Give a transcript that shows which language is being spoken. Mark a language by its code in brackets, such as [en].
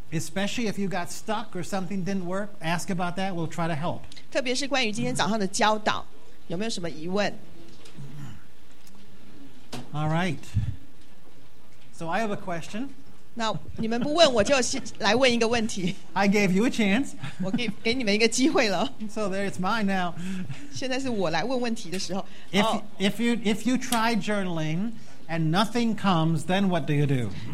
[en] Especially if you got stuck or something didn't work, ask about that, we'll try to help. [zh] 特别是关于今天早上的教导，有没有什么疑问？ [en] All right. So I have a question. [zh] 那你们不问我就来问一个问题。 [en] I gave you a chance. [zh] 我给你们一个机会了。 [en] So there, it's mine now. [zh] 现在是我来问问题的时候。 [en] If you try journaling and nothing comes, then what do you do?